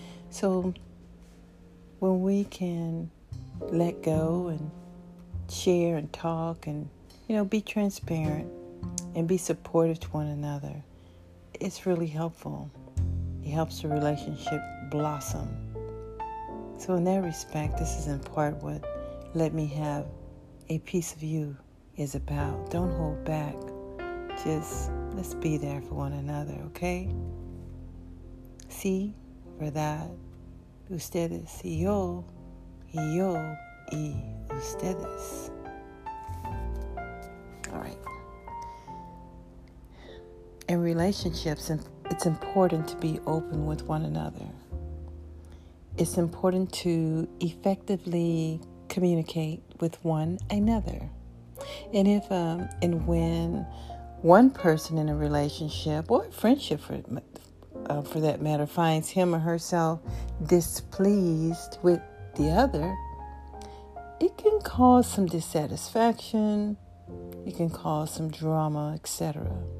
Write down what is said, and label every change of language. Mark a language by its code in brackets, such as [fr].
[en] So when we can let go and share and talk and, you know, be transparent and be supportive to one another, it's really helpful. It helps the relationship blossom. So in that respect, this is in part what Let Me Have a Piece of You is about. Don't hold back. Just let's be there for one another, okay? [es] Si, verdad, ustedes y yo, yo y ustedes. [en] All right. In relationships, it's important to be open with one another. It's important to effectively communicate with one another. And if and when one person in a relationship or friendship for that matter finds him or herself displeased with the other, it can cause some dissatisfaction, it can cause some drama, etc.